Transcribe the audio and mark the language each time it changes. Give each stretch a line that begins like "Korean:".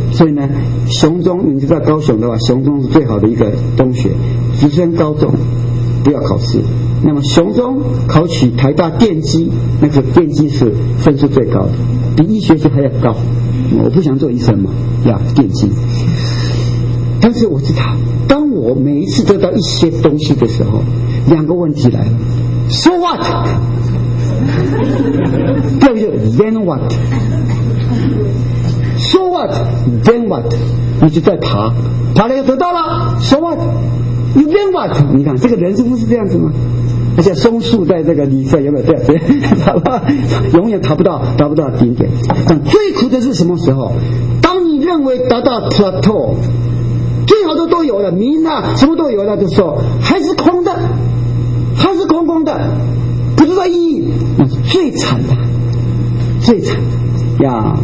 Chinese: 所以呢雄中，你知道高雄的话，雄中是最好的一个中学，直升高中不要考试，那么雄中考取台大电机，那个电机是分数最高的，比医学系还要高，我不想做医生嘛，电机。但是我知道，当我每一次得到一些东西的时候，两个问题来了 ， So what？
English: 第二个就 Then what？So what？Then what？
Chinese: 你就在爬，爬了又得到了 ， So what？
English: You then what？
Chinese: 你看这个人是不是这样子吗？而且松树在这个里侧有没有这样子？永远达不到顶点。但最苦的是什么时候？当你认为达到 plateau， 最好的都有了，名啊什么都有了的时候，还是空的，还是空空的，不知道意义，那是最惨的，最惨的呀！